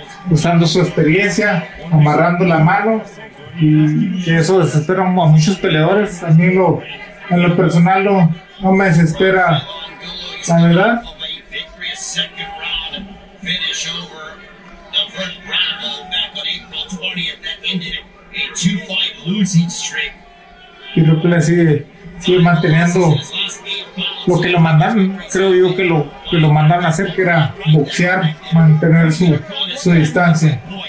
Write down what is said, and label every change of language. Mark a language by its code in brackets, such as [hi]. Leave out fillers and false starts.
[es] Usando su experiencia, amarrando la mano, y eso desespera a muchos peleadores. A mí en lo personal no me desespera, la verdad. [en] second round finish over the first round back on April 20th. That ended a 2-5 losing streak. [es] Y lo que le sigue, sigue manteniendo lo que lo mandan, creo yo que lo mandan a hacer, que era boxear, mantener su, su distancia.